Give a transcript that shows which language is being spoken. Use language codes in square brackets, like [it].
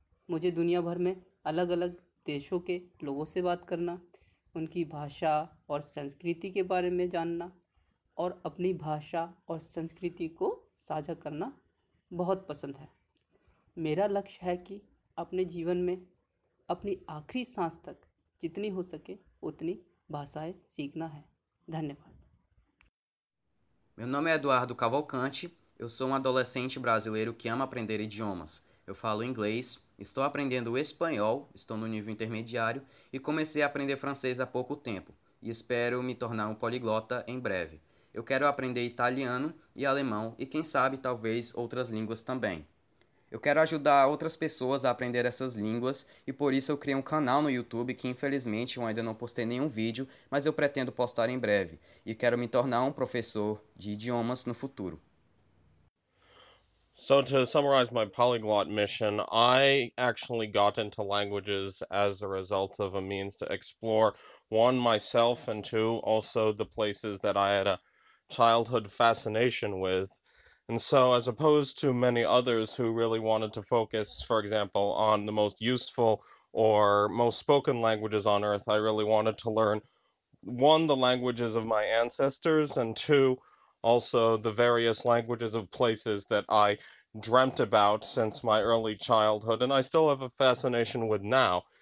[hi] मुझे दुनिया भर में अलग-अलग देशों के लोगों से बात करना, उनकी भाषा और संस्कृति के बारे में जानना और अपनी भाषा और संस्कृति को साझा करना बहुत पसंद है। मेरा लक्ष्य है कि अपने जीवन में अपनी आखिरी सांस तक जितनी हो सके उतनी भाषाएं सीखना है। [pt] Meu nome é Eduardo Cavalcante, eu sou um adolescente brasileiro que ama aprender idiomas. Eu falo inglês, estou aprendendo espanhol, estou no nível intermediário e comecei a aprender francês há pouco tempo e espero me tornar um poliglota em breve. Eu quero aprender italiano e alemão e quem sabe talvez outras línguas também. Eu quero ajudar outras pessoas a aprender essas línguas e por isso eu criei um canal no YouTube que infelizmente eu ainda não postei nenhum vídeo, mas eu pretendo postar em breve. E quero me tornar um professor de idiomas no futuro. [en] So to summarize my polyglot mission, I actually got into languages as a result of a means to explore one myself and two also the places that I had a childhood fascination with. And so, as opposed to many others who really wanted to focus, for example, on the most useful or most spoken languages on Earth, I really wanted to learn, one, the languages of my ancestors, and two, also the various languages of places that I dreamt about since my early childhood, and I still have a fascination with now.